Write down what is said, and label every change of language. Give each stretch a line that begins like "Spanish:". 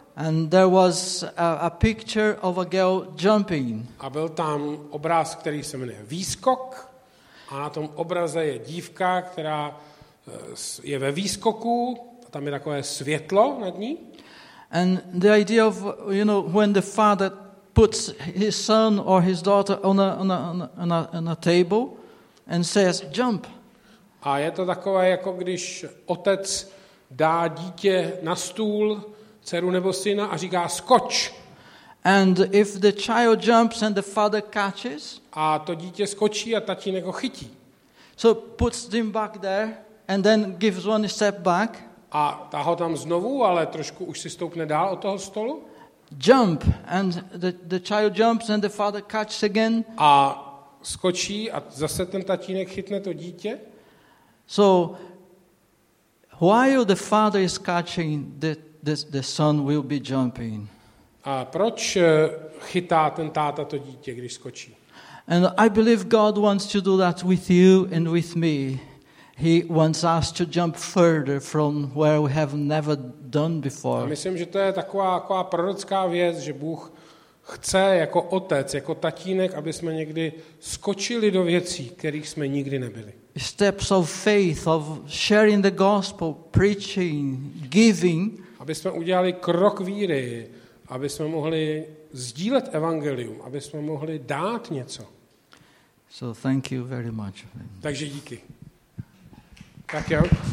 English: And there was a picture of a girl jumping.
Czech: A byl tam obraz, který se jmenuje Výskok. A na tom obraze je dívka, která je ve výskoku, a tam je takové světlo nad ní.
English: And the idea of, you know, when the father puts his son or his daughter on a table and says jump.
Czech: A je to takové, jako když otec dá dítě na stůl, dceru nebo syna, a říká skoč.
English: And if the child jumps and the father catches.
Czech: A to dítě skočí a tatínek ho chytí.
English: So puts him back there and then gives one step back.
Czech: A tá ho tam znovu, ale trošku už si stoupne dál od toho stolu.
English: Jump and the child jumps and the father catches again.
Czech: A skočí a zase ten tatínek chytne to dítě.
English: So while the father is catching the son will be jumping.
Czech: A proč chytá ten táta to dítě, když skočí?
English: And I believe God wants to do that with you and with me. He wants us to jump further from where we have never done before.
Czech: A myslím, že to je taková prorocká věc, že Bůh chce jako otec, jako tatínek, aby jsme někdy skočili do věcí, kterých jsme nikdy nebyli.
English: Steps of faith, of sharing the gospel, preaching, giving.
Czech: Aby jsme udělali krok víry, aby jsme mohli sdílet evangelium, aby jsme mohli dát něco.
English: So thank you very much.
Czech: Takže díky. Tak jo.